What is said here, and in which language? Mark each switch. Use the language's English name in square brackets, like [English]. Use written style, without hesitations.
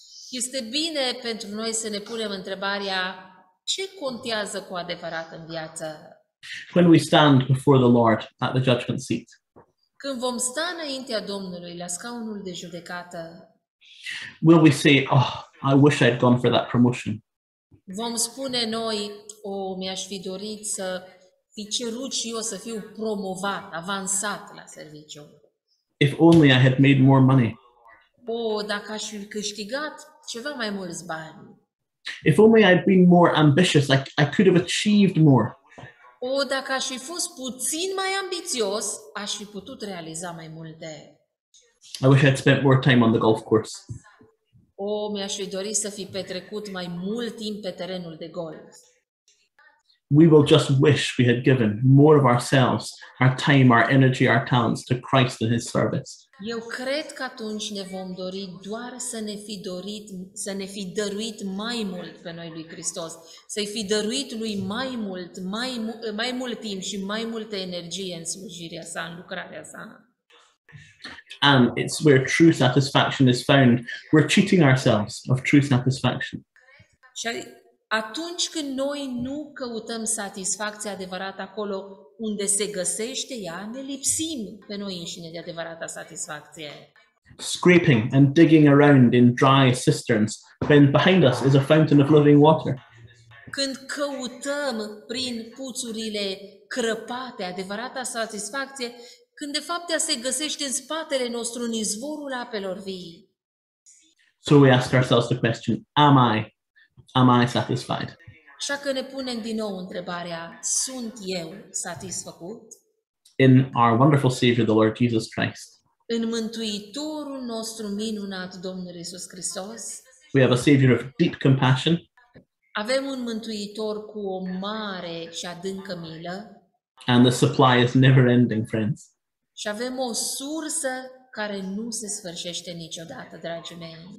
[Romanian] Este bine pentru noi să ne punem întrebarea, ce contează cu adevărat în viață? [English] When we stand before the Lord at the judgment seat. [Romanian] Când vom sta înaintea Domnului la scaunul de judecată. [English] Will we say, oh, I wish I'd gone for that promotion? [Romanian] Vom spune noi, oh, mi-aș fi dorit să fi cerut și eu să fiu promovat, avansat la serviciu. [English] If only I had made more money. [Romanian] Oh, dacă aș fi câștigat ceva mai mulți bani. [English] If only I'd been more ambitious, I could have achieved more. [Romanian] Oh, dacă aș fi fost puțin mai ambițios, aș fi putut realiza mai multe. [English] I wish I'd spent more time on the golf course. [Romanian] Oh, mi-aș fi dorit să fi petrecut mai mult timp pe terenul de golf. [English] We will just wish we had given more of ourselves, our time, our energy, our talents to Christ and his service. [Romanian] Eu cred că atunci ne vom dori doar să ne fi dorit, să ne fi dăruit mai mult pe noi lui Hristos, să-i fi dăruit lui mai mult, mai mult timp și mai multă energie în slujirea sa, în lucrarea sa. [English] And it's where true satisfaction is found. We're cheating ourselves of true satisfaction. [Romanian] Și atunci când noi nu căutăm satisfacția adevărată acolo unde se găsește ea, ne lipsim pe noi înșine de adevărata satisfacție. [English] Scraping and digging around in dry cisterns when behind us is a fountain of living water. [Romanian] Când căutăm prin puțurile crăpate adevărata satisfacție, când de fapt ea se găsește în spatele nostru, în izvorul apelor vii. [English] So we ask ourselves the question, am I satisfied? [Romanian] Așa că ne punem din nou întrebarea, sunt eu satisfăcut? [English] In our wonderful Savior, the Lord Jesus Christ. [Romanian] În Mântuitorul nostru minunat, Domnul Iisus Hristos. [English] We have a Savior of deep compassion. [Romanian] Avem un Mântuitor cu o mare și adâncă milă. [English] And the supply is never ending, friends. [Romanian] Și avem o sursă care nu se sfârșește niciodată, dragii mei.